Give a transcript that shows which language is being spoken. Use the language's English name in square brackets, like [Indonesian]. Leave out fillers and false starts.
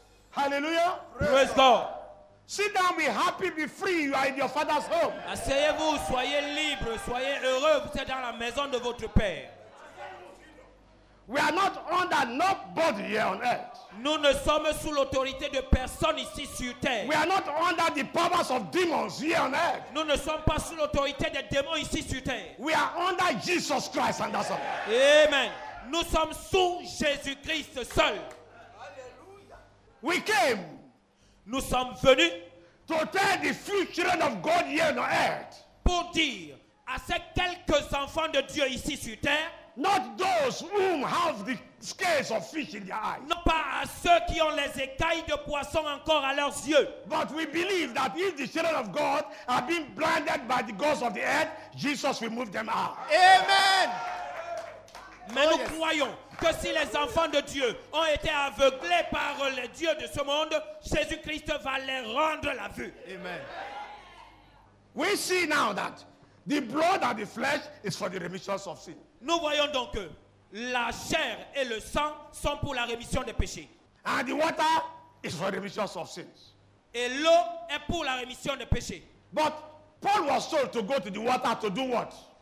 [English] Hallelujah. Praise God. Sit down, be happy, be free. You are in your father's home. [French] Asseyez-vous, soyez libre, soyez heureux. Vous êtes dans la maison de votre père. [English] We are not under nobody here on earth. [French] Nous ne sommes sous l'autorité de personne ici sur terre. [English] We are not under the powers of demons here on earth. [French] Nous ne sommes pas sous l'autorité des démons ici sur terre. [English] We are under Jesus Christ and that's all. [French] Amen. Nous sommes sous Jésus-Christ seul. [English] We came. [French] Nous sommes venus [English] to tell the few children of God here on earth. [French] Pour dire à ces quelques enfants de Dieu ici sur terre. [English] Not those whom have the scales of fish in their eyes. [French] Non pas à ceux qui ont les écailles de poisson encore à leurs yeux. [English] But we believe that if the children of God are being blinded by the gods of the earth, Jesus will move them out. Amen. [French] Mais nous croyons que si les enfants de Dieu ont été aveuglés par les dieux de ce monde, Jésus-Christ va les rendre la vue. Amen. [English] We see now that the blood and the flesh is for the remission of sin. [French] Nous voyons donc que la chair et le sang sont pour la rémission des péchés. [English] And the water is for the remission of sins. [French] Et l'eau est pour la rémission des péchés. [English] But Paul was told to go to the water to do what?